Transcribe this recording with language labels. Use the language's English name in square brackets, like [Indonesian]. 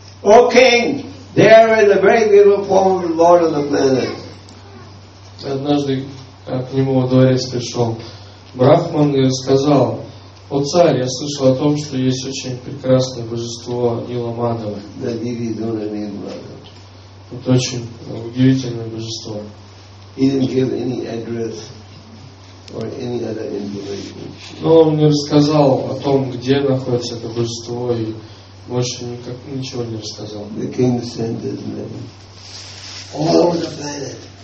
[English] O king, there is a very beautiful form of the Lord of the planet. [Russian] Однажды к нему во дворец пришел Брахман и сказал: «О царь, я слышал о том, что есть очень прекрасное божество Нила Мадхава». [English] The deity known as Nila Madhava. [Russian] Это очень удивительное божество. [English] He didn't give any address or any other information. [Russian] Но он не рассказал о том, где находится это божество, и больше никак, ничего не рассказал. [English] The king sent his men all over the planet.